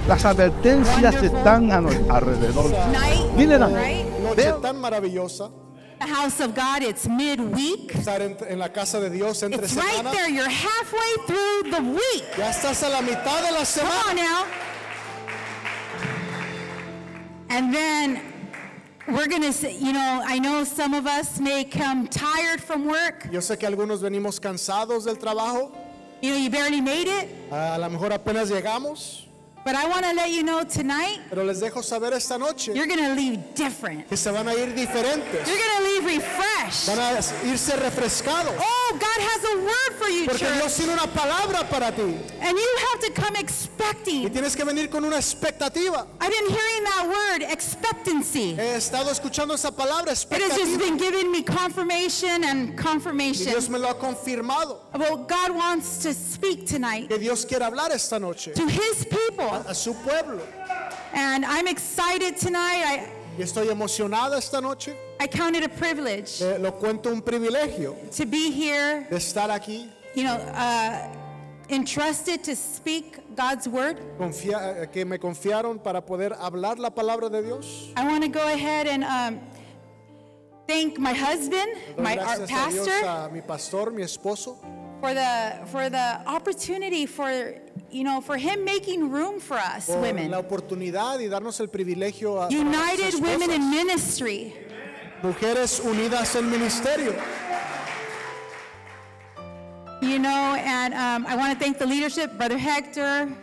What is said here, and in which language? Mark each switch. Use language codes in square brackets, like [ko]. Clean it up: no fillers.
[es] Las advertencias están a nuestro alrededor. Dile la noche tan maravillosa. [en] The house of God, it's midweek. [es] En la casa de Dios, entre [en] it's [es] semana. [en] Right there, you're halfway through the week. [es] Ya estás a la mitad de la semana. [en] Come on now. And then we're going to say, you know, I know some of us may come tired from work. [es] Yo sé que algunos venimos cansados del trabajo. [en] You know, you barely made it. [es] A lo mejor apenas llegamos. [en] But I want to let you know tonight, [es] pero les dejo saber esta noche, [en] you're going to leave different. [es] Que se van a ir diferentes. [en] You're going to leave refreshed. [es] Van a irse refrescados. [en] Oh, God has a word for you, [es] porque [en] church. [es] Dios tiene una palabra para ti. [en] And you have to come expecting. [es] Y tienes que venir con una expectativa. [en] I've been hearing that word, expectancy. [es] He estado escuchando esa palabra, expectativa. [en] It has just been giving me confirmation and confirmation. [es] Y Dios me lo ha confirmado. [en] Well, God wants to speak tonight. [es] Que Dios quiere hablar esta noche. [en] To His people. [es] A su pueblo. [en] And I'm excited tonight. [es] Y estoy emocionada esta noche. [en] I count it a privilege. [es] Lo cuento un privilegio. [en] To be here. [es] De estar aquí. [en] You know, entrusted to speak God's word. [es] Que me confiaron para poder hablar la palabra de Dios. [en] I want to go ahead and thank my husband, my pastor. [es] Gracias a Dios, a mi pastor, mi esposo. [en] For the opportunity for, you know, for him making room for us women. [es] La oportunidad y darnos el privilegio a [en] United women in ministry. [es] Mujeres unidas en ministerio. [en] You know, and I want to thank the leadership, Brother Hector.